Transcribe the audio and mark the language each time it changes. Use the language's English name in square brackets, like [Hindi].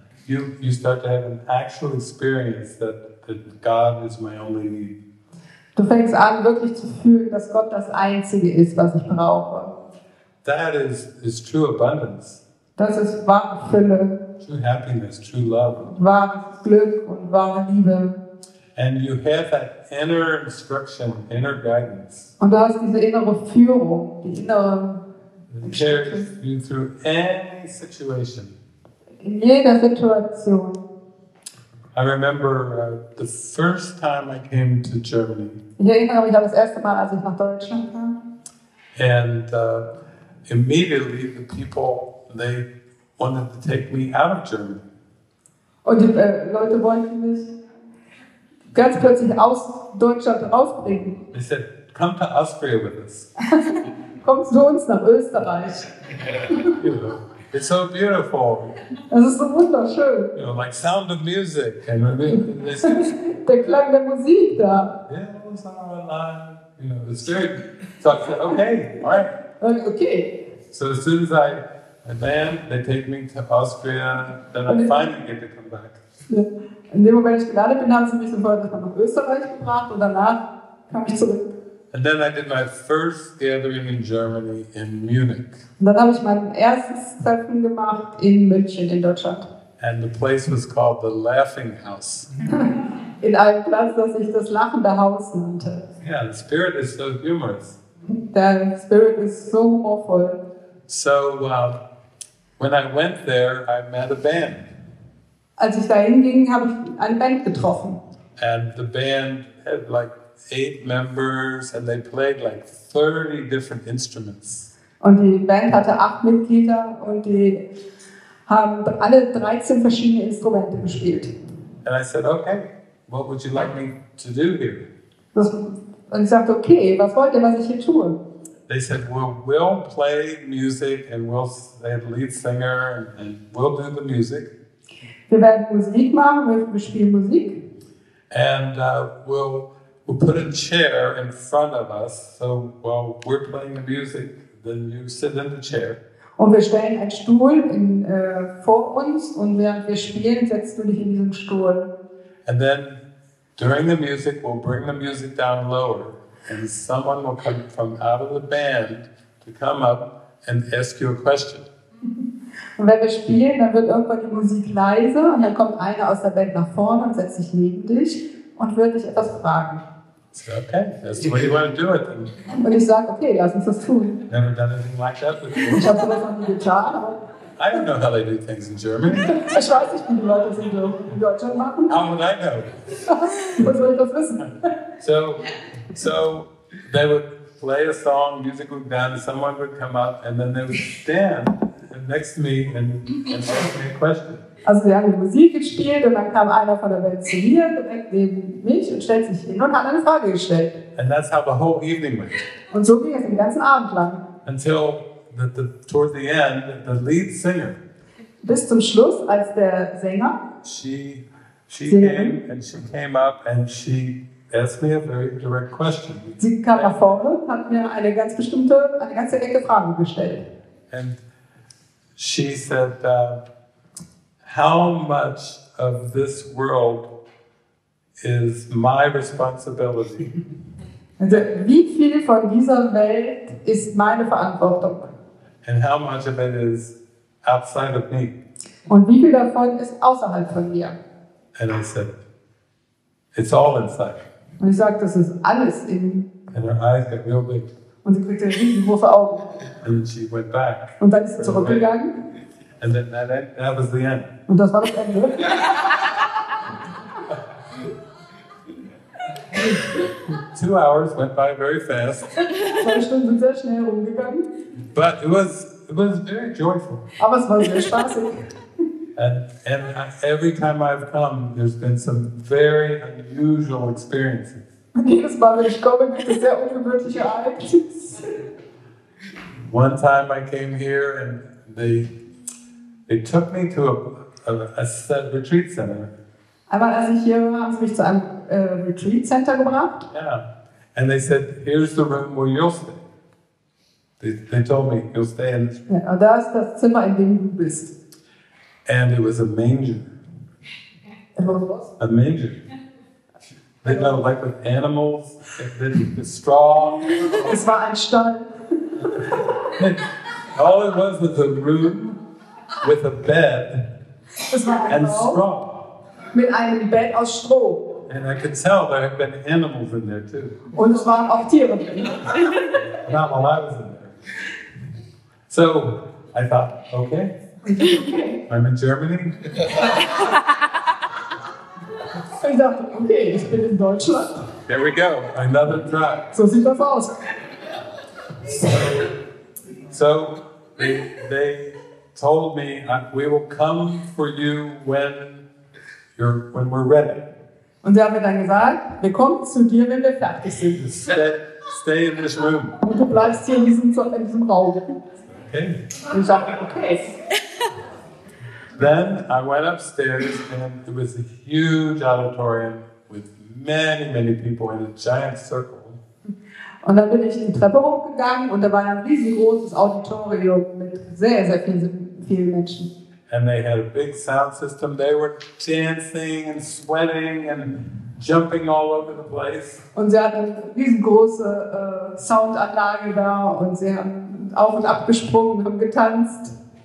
[English] You start to have an actual experience that God is my only need. [German] Du fängst an, wirklich zu fühlen, dass Gott das Einzige ist, was ich brauche. [English] That is true abundance. [German] Das ist wahre Fülle. [English] True happiness, true love. [German] Wahres Glück und wahre Liebe. [English] And you have that inner instruction, inner guidance. [German] Und du hast diese innere Führung, die innere. [English] It carries you through any situation. [German] In jeder Situation. [English] I remember the first time I came to Germany. [German] Ich erinnere mich an das erste Mal, als ich nach Deutschland kam. [English] And immediately the people, they wanted to take me out of Germany. [German] Und die Leute wollten mich ganz plötzlich aus Deutschland rausbringen. [English] They said, come to Austria with us. [German] Komm zu uns nach Österreich. [English] It's so beautiful. [German] Es ist so wunderschön. [English] You know, like Sound of Music. [German] Der Klang der Musik da. [English] Yeah, it's our life. You know, it's good. So I said, okay, all right. Okay. So as soon as I land, they take me to Austria, then I finally get to come back. [German] In dem Moment, ich gelandet bin, haben sie mich sofort nach Österreich gebracht und danach kam ich zurück. [English] And then I did my first gathering in Germany in Munich. [German] Und dann habe ich mein erstes Treffen gemacht in München in Deutschland. [English] And the place was called the Laughing House. [German] In einem Platz, das ich das Lachende Haus nannte. [English] Yeah, the spirit is so humorous. [German] Der Spirit ist so humorvoll. [English] So when I went there, I met a band. [German] Als ich dahin ging, habe ich eine Band getroffen. [English] And the band had like 8 members and they played like 30 different instruments. [German] Und die Band hatte 8 Mitglieder und die haben alle 13 verschiedene Instrumente gespielt. [English] And I said, okay, what would you like me to do here? [German] Und ich sagte, okay, was wollt ihr, was ich hier tue? [English] They said, well, we'll play music and they had a lead singer and we'll do the music. [German] Wir werden Musik machen, wir spielen Musik. [English] And we'll put a chair in front of us, so while we're playing the music, then you sit in the chair. [German] Und wir stellen einen Stuhl vor uns, und während wir spielen, setzt du dich in diesen Stuhl. [English] And then, during the music, we'll bring the music down lower, and someone will come from out of the band to come up and ask you a question. [German] Und wenn wir spielen, dann wird irgendwann die Musik leiser, und dann kommt einer aus der Band nach vorne und setzt sich neben dich. Und würde dich etwas fragen. [English] So, okay, that's the way you want to do it. Then. [German] Und ich sage, okay, lass uns das tun. [English] Never done anything like that before. [German] Ich habe sowas noch nie getan. [English] I don't know how they do things in Germany. [German] Ich weiß nicht, wie die Leute sind in Deutschland machen. [English] How would I know? [German] Was soll ich das wissen? [English] So they would play a song, music would go down, someone would come up, and then they would stand next to me and ask me a question. [German] Also sie haben Musik gespielt und dann kam einer von der Welt zu mir, direkt neben mich und stellt sich hin und hat eine Frage gestellt. [English] And that's how the whole evening went. [German] Und so ging es den ganzen Abend lang. [English] Until towards the end, the lead singer. [German] Bis zum Schluss, als der Sänger. [English] She came up and she asked me a very direct question. [German] Sie kam nach vorne, hat mir eine ganze Ecke Fragen gestellt. [English] And she said, how much of this world is my responsibility? [German] Also, wie viel von dieser Welt ist meine Verantwortung? [English] And how much of it is outside of me? [German] Und wie viel davon ist außerhalb von mir? [English] And I said, it's all inside. [German] Und ich sagte, das ist alles in. [English] And her eyes got real big. [German] Und sie kriegte riesengroße Augen. [English] And she went back. [German] Und dann ist sie zurückgegangen. [English] And then that was the end. [German] Und das war das Ende. [English] Two hours went by very fast. [German] Zwei Stunden sind sehr schnell rumgegangen. [English] But it was very joyful. [German] Aber es war sehr spaßig. [English] And every time I've come, there's been some very unusual experiences. [German] Jedes Mal, wenn ich komme, gibt es sehr ungewöhnliche Ereignisse. [English] One time I came here and they took me to a retreat center. [German] Einmal als ich hier war, haben sie mich zu einem Retreat Center gebracht. [English] Yeah, and they said, here's the room where you'll stay. They told me you'll stay in. [German] Ja, da ist das Zimmer, in dem du bist. [English] And it was a manger. And what was? A manger. They know, like with animals, the straw. [German] Es war ein Stall. [English] All it was a room with a bed and straw. [German] Mit einem Bett aus Stroh. [English] And I could tell there had been animals in there too. [German] Und es waren auch Tiere drin. [English] Not while I was in there. So I thought, okay. I'm in Germany. [German] Ich dachte, okay, ich bin in Deutschland. [English] There we go, another try. [German] So sieht das aus. [English] So they told me, we will come for you when we're ready. [German] Und sie haben mir dann gesagt, wir kommen zu dir, wenn wir fertig sind. [English] Stay in this room. [German] Und du bleibst hier in diesem Raum. Okay. Und ich dachte, okay. [English] Then I went upstairs and it was a huge auditorium with many, many people in a giant circle. [German] Und dann bin ich die Treppe hochgegangen und da war ein riesengroßes Auditorium mit sehr, sehr vielen Menschen. [English] And they had a big sound system. They were dancing and sweating and jumping all over the place. [German] Und sie hatten eine riesengroße Soundanlage da und sie haben auf und ab gesprungen und haben getanzt.